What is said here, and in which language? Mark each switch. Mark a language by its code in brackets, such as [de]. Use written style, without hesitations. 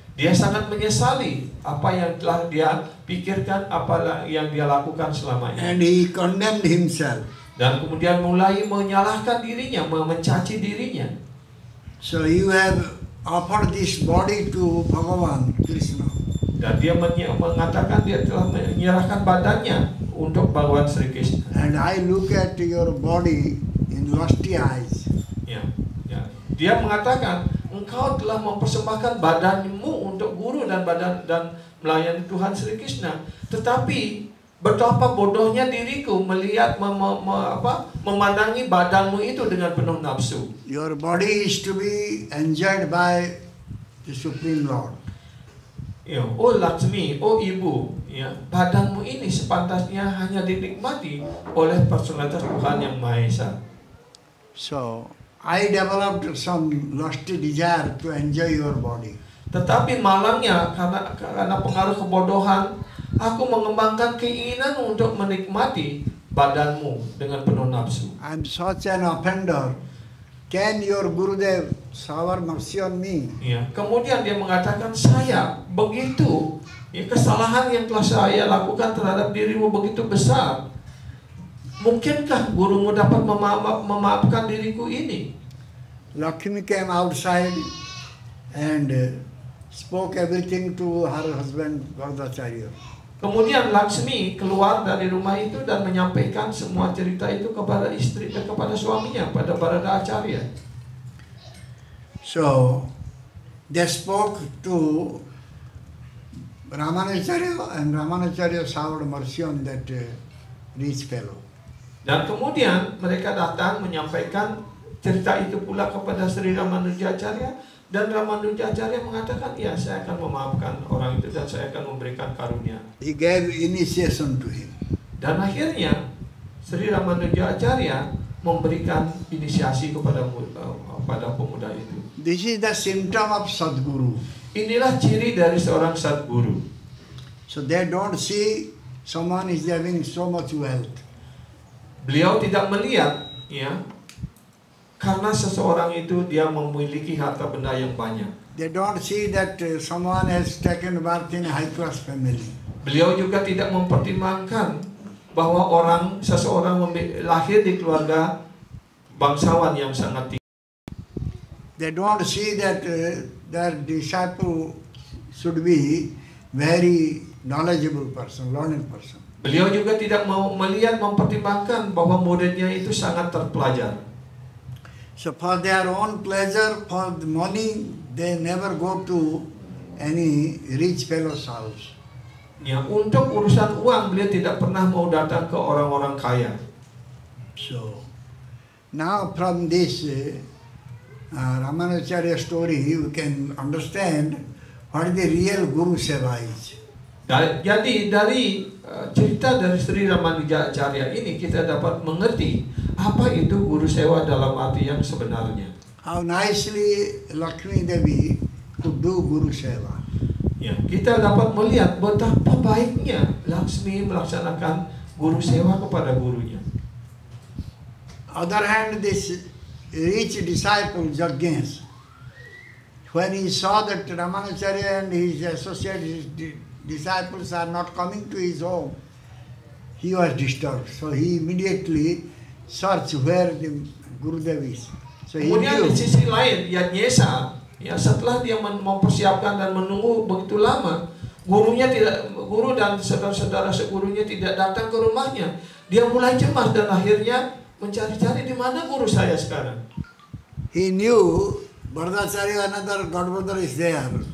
[id] Dia sangat menyesali apa yang telah dia pikirkan, apa yang dia lakukan selama ini. [en] And he condemned himself. [id] Dan kemudian mulai menyalahkan dirinya, mencaci dirinya. [en] So you have offered this body to Bhagavan Krishna. [id] Dan dia mengatakan dia telah menyerahkan badannya untuk Bhagavan Sri Krishna. [en] And I look at your body in lusty eyes. [id] Ya, ya. Dia mengatakan, engkau telah mempersembahkan badanmu untuk guru dan badan dan melayani Tuhan Sri Krishna. Tetapi betapa bodohnya diriku melihat memandangi badanmu itu dengan penuh nafsu. [en] Your body is to be enjoyed by the Supreme Lord. [id] Ya, oh Lakshmi, oh ibu, ya, badanmu ini sepantasnya hanya dinikmati oleh personalitas Tuhan Yang Maha Esa. [en] So, I developed some lusty desire to enjoy your body. [id] Tetapi malangnya karena pengaruh kebodohan, aku mengembangkan keinginan untuk menikmati badanmu dengan penuh nafsu. [en] I'm such an offender. Can your Gurudev shower mercy on me? [id] Ya. Kemudian dia mengatakan, saya begitu, ya, kesalahan yang telah saya lakukan terhadap dirimu begitu besar, mungkinkah gurumu dapat memaafkan diriku ini? [en] Lakshmi came outside and spoke everything to her husband Bhadracharya. [id] Kemudian Lakshmi keluar dari rumah itu dan menyampaikan semua cerita itu kepada istri dan kepada suaminya, pada Radha Acharya. [en] So, they spoke to Ramanacharya and Ramanacharya showered mercy on that rich fellow. [id] Dan kemudian mereka datang menyampaikan cerita itu pula kepada Sri Ramanuja Acharya. Dan Ramanuja Acharya mengatakan, ya, saya akan memaafkan orang itu dan saya akan memberikan karunia. [en] He gave initiation to him. [id] Dan akhirnya Sri Ramanuja Acharya memberikan inisiasi kepada pemuda itu. [en] This is the symptom of Sadguru. [id] Inilah ciri dari seorang Sadguru. [en] So they don't see someone is having so much wealth. [id] Beliau tidak melihat, ya, karena seseorang itu dia memiliki harta benda yang banyak. [en] They don't see that someone has taken birth in a high class family. [id] Beliau juga tidak mempertimbangkan bahwa seseorang lahir di keluarga bangsawan yang sangat tinggi. [en] They don't see that their disciple should be very knowledgeable person, learned person. [id] Beliau juga tidak mempertimbangkan bahwa muridnya itu sangat terpelajar. [en] So for their own pleasure, for the money, they never go to any rich fellow's house. [id] Ya, untuk urusan uang, beliau tidak pernah mau datang ke orang-orang kaya. [en] So, now from this Ramanacharya story, you can understand what the real Guru Seva is. [id] Jadi dari cerita dari Sri Ramanuja Acharya ini, kita dapat mengerti apa itu guru sewa dalam arti yang sebenarnya? [en] How nicely Lakshmi Devi could do guru sewa. [id] Ya, kita dapat melihat betapa baiknya Lakshmi melaksanakan guru sewa kepada gurunya. [en] Other hand, this rich disciple Jagnes, when he saw that Ramanacharya and his associates, his disciples are not coming to his home, he was disturbed. So he immediately searched where the Gurudev is. So [id] kemudian di sisi lain, Yajnesa, ya, setelah dia mempersiapkan dan menunggu begitu lama, gurunya tidak, guru dan saudara-saudara segurunya tidak datang ke rumahnya. Dia mulai cemas dan akhirnya mencari-cari di mana guru saya sekarang. [en] He knew Bhardacharya, another god brother, is there.